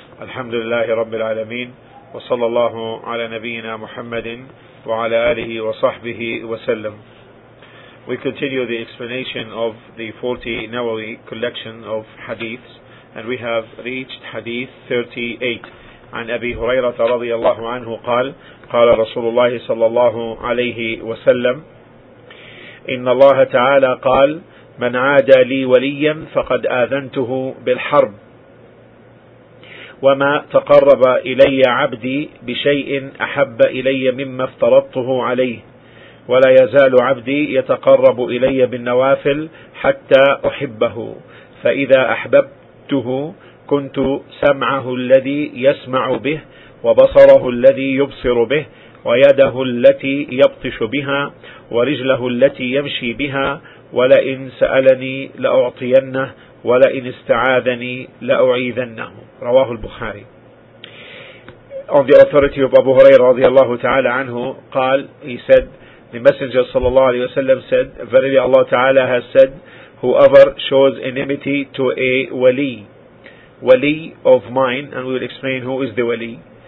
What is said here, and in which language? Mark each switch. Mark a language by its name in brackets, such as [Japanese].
[Arabic] الحمد لله رب العالمين، وصلى الله على نبينا محمد وعلى آله وصحبه وسلم. [English] We continue the explanation of the 40 Nawawi collection of hadiths, and we have reached hadith 38. [Arabic] عن أبي هريرة رضي الله عنه قال قال رسول الله صلى الله عليه وسلم إن الله تعالى قال من عادى لي وليا فقد آذنته بالحرب وما تقرب إلي عبدي بشيء أحب إلي مما افترضته عليه ولا يزال عبدي يتقرب إلي بالنوافل حتى أحبه فإذا أحببته كنت سمعه الذي يسمع به وبصره الذي يبصر به ويده التي يبطش بها ورجله التي يمشي بها ولئن سألني لأعطينه ولئن استعاذني لأعيذنه. رواه البخاري. [English] On the authority of Abu Hurairah [Arabic] رضي الله تعالى عنه قال, [English] he said, the messenger [Arabic] صلى الله عليه وسلم [English] said, verily Allah تعالى has said, whoever shows enmity to a wali, wali of mine, and we will explain who is the wali,